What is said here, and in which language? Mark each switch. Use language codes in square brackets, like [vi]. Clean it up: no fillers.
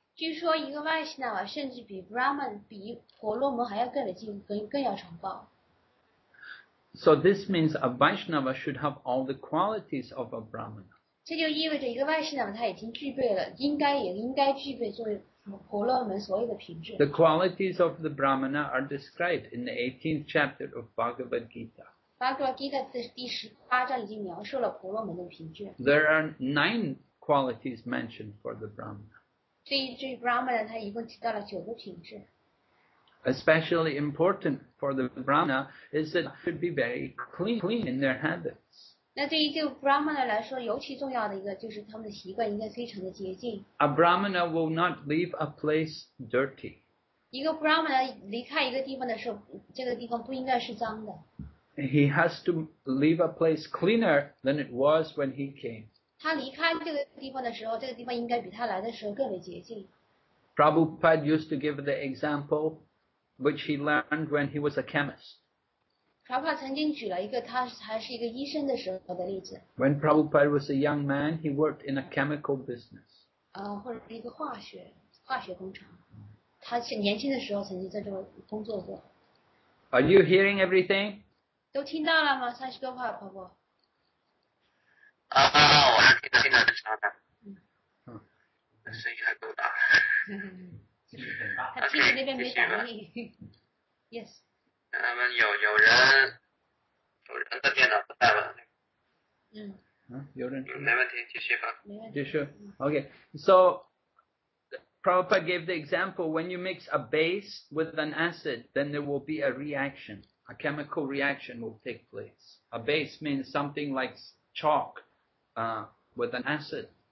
[zh] 据说一个 Vaishnava 甚至比 Brahman 比婆罗门还要更为敬，更要崇高。 [en] So this means a Vaishnava should have all the qualities of a Brahmana. [zh] 这就意味着一个 Vaishnava 他已经具备了，应该具备作为婆罗门所有的品质。 [en] The qualities of the Brahmana are described in the 18th chapter of Bhagavad Gita. [zh] Bhagavad Gita 第十八章已经描述了婆罗门的品质。 [en] There are 9 qualities mentioned for the Brahmana. [zh] 这一 Brahmana 他一共提到了九个品质。 [en] Especially important for the Brahmana is that they should be very clean in their habits. [zh] 那对于这个 Brahmana 来说，尤其重要的一个就是他们的习惯应该非常的洁净。 [en] A Brahmana will not leave a place dirty. [zh] 一个 Brahmana 离开一个地方的时候，这个地方不应该是脏的。 [en] He has to leave a place cleaner than it was when he came. [zh] 他离开这个地方的时候，这个地方应该比他来的时候更为洁净。 [en] Prabhupada used to give the example which he learned when he was a chemist. [zh] Prabhupada 曾经举了一个他还是一个医生的时候的例子。 [en] When Prabhupada was a young man, he worked in a chemical business. [zh] 或者是一个化学工厂。他年轻的时候曾经在这工作过。 [en] Are you hearing everything? [zh] 都听到了吗？三十多话，婆婆。我还是听到的。声音还够大。他听你那边没反应。 [en] Yes. [zh] 他们有人的电脑不带了。有人。没问题，继续吧。继续。 [en] Okay. So, Prabhupada gave the example, when you mix a base with an acid, then there will be a reaction. A chemical reaction will take place. A base means something like chalk, with an acid.